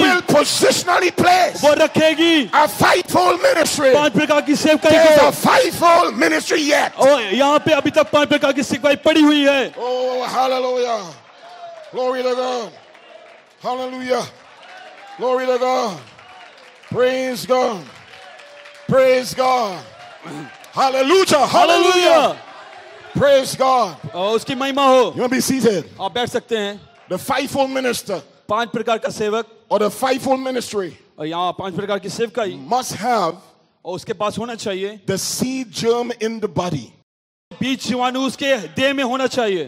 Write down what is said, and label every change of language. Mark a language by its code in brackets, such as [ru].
[en] will positionally place [hi] वो रखेगी [en] a fivefold ministry [hi] पांच प्रकार की सेवकाई को [en] there's a fivefold ministry yet [hi] और यहाँ पे अभी तक पांच प्रकार की सेवकाई पड़ी हुई है [en] oh hallelujah glory to God hallelujah glory to God praise God praise God hallelujah hallelujah Praise God. [hi] उसकी महिमा हो. [en] You may be seated. [hi] आप बैठ सकते हैं. [en] The fivefold minister. [hi] पांच प्रकार का सेवक. [en] Or the fivefold ministry. [hi] और यहाँ पांच प्रकार की सेवकाई. [en] Must have. [hi] और उसके पास होना चाहिए. [en] The seed germ in the body. [hi] बीज जीवाणु उसके देह में होना चाहिए.